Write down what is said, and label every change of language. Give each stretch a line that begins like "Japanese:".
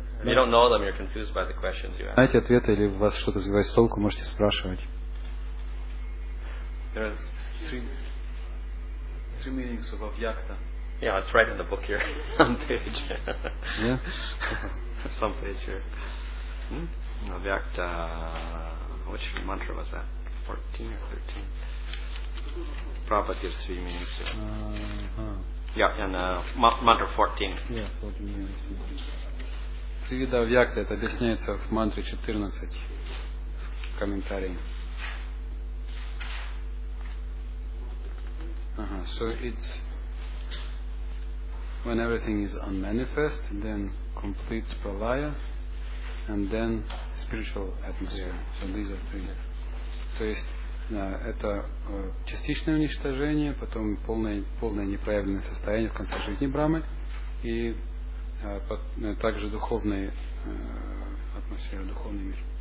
English: If you don't know them, you're confused by the questions you ask.
Russian: Знаете ответы или вас что-то сбивает с толку, можете спрашивать.
English: There is three meanings of avyakta. Yeah, it's right in the book here on page. Yeah. Some page here. Avyakta, which mantra was that? 14 or 13? Prabhupada gives three meanings to it. Yeah, and mantra 14. Yeah, 14 meanings.
Russian: Три вида авьякта, это объясняется в мантре 14 в комментарии.
English: So it's when everything is unmanifest, then complete pralaya, and then spiritual atmosphere. Yeah. So these are three.
Russian: То есть это частичное уничтожение, потом полное непроявленное состояние в конце жизни Брамы, и также духовная атмосфера, духовный мир.